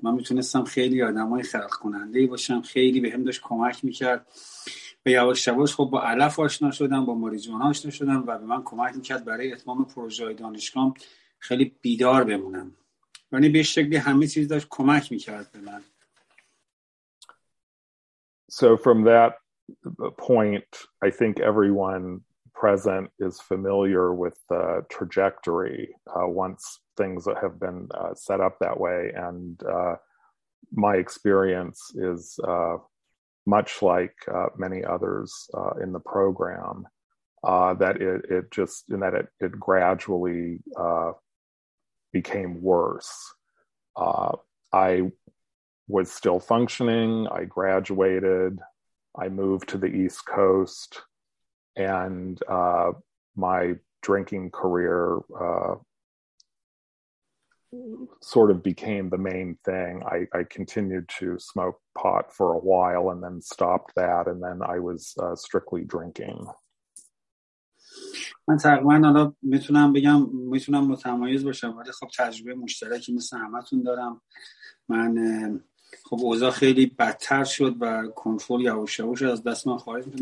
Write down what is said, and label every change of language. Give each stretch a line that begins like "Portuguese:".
Persian: من میتونستم خیلی آدم های خلق کنندهی باشم، خیلی به هم داشت کمک میکرد و یواش یواش خب با علف آشنا شدم، با ماریجوانا آشنا شدم و به من کمک میکرد برای اتمام پروژه های دانشگاهم خیلی بیدار بمونم. یعنی به شکلی همه چیز داشت کمک میکرد به من.
English: So from that point, I think everyone present is familiar with the trajectory once things that have been set up that way, and my experience is much like many others in the program, that it just, and that it gradually became worse. I was still functioning. I graduated. I moved to the East Coast. and my drinking career sort of became the main thing. I continued to smoke pot for a while and then stopped that, and then I was strictly drinking.
Persian: من تقریباً حالا میتونم بگم میتونم متمایز باشم ولی خب تجربه مشترکی مثل همه تون دارم. من خب اوضاع خیلی بدتر شد و کنترل یواش یواش از دست من خارج شد.